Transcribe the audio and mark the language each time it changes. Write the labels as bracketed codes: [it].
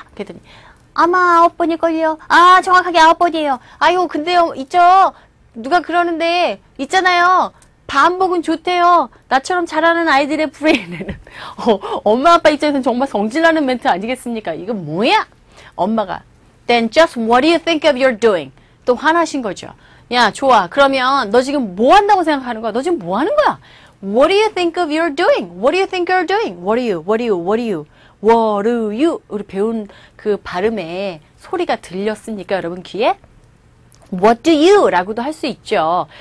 [ko] 그랬더니 아마 아홉 번일걸요. 아, 정확하게 아홉 번이에요. 아이고, 근데요, 있죠? 누가 그러는데, 있잖아요. 반복은 좋대요. 나처럼 잘하는 아이들의 브레인에는. 엄마, 아빠 입장에서는 정말 성질나는 멘트 아니겠습니까? 이거 뭐야? [en] 엄마가, then just what do you think of your doing? [ko] 또 화나신 거죠. 야, 좋아. 그러면 너 지금 뭐 한다고 생각하는 거야? 너 지금 뭐 하는 거야? [en] What do you think of your doing? What do you think you're doing? What are you? What are you? What are you? What are you? [ko] 우리 배운 그 발음에 소리가 들렸습니까? 여러분 귀에? [en] What do you? [ko] 라고도 할 수 있죠.